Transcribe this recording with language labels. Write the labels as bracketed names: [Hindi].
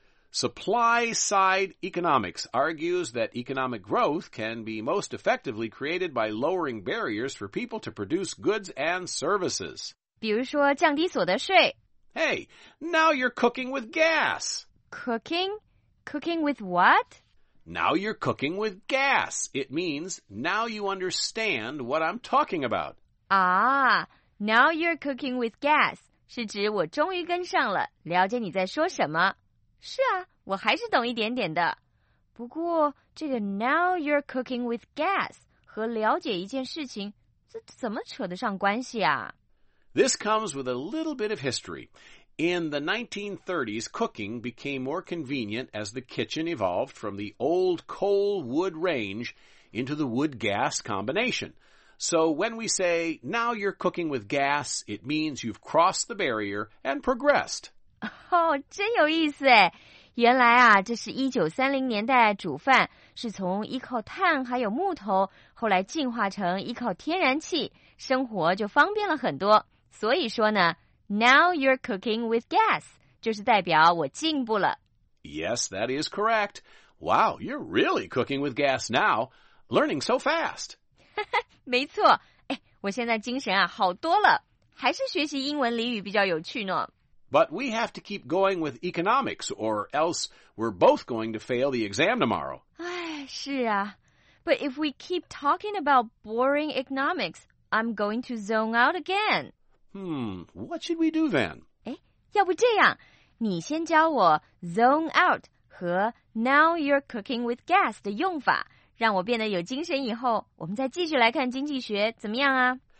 [English] Supply side economics argues that economic growth can be most effectively created by lowering barriers for people to produce goods and services. [Chinese] 比如说降低所得税。 [English] Hey, now you're cooking with gas. Cooking? Cooking with what? Now you're cooking with gas. It means, now you understand what I'm talking about. Now you're cooking with gas. [Chinese] 是指我终于跟上了，了解你在说什么。是啊，我还是懂一点点的。不过，这个 [English] now you're cooking with gas [Chinese] 和了解一件事情，这怎么扯得上关系啊？ [English] This comes with a little bit of history. In the 1930s, cooking became more convenient as the kitchen evolved from the old coal-wood range into the wood-gas combination. So when we say, now you're cooking with gas, it means you've crossed the barrier and progressed. [Chinese] 真有意思哎。原来啊，这是1930年代煮饭是从依靠碳还有木头，后来进化成依靠天然气，生活就方便了很多。所以说呢， [English] Now you're cooking with gas, [Chinese] 就是代表我进步了。 [English] Yes, that is correct. Wow, you're really cooking with gas now, learning so fast. [Chinese] 没错，我现在精神啊好多了，还是学习英文俚语比较有趣呢。 [English] But we have to keep going with economics, or else we're both going to fail the exam tomorrow. [Chinese] 哎，是啊。 [English] But if we keep talking about boring economics, I'm going to zone out again. What should we do then? [Chinese] 要不这样，你先教我 zone out 和 [English] now you're cooking with gas [Chinese] 的用法，让我变得有精神以后，我们再继续来看经济学，怎么样啊？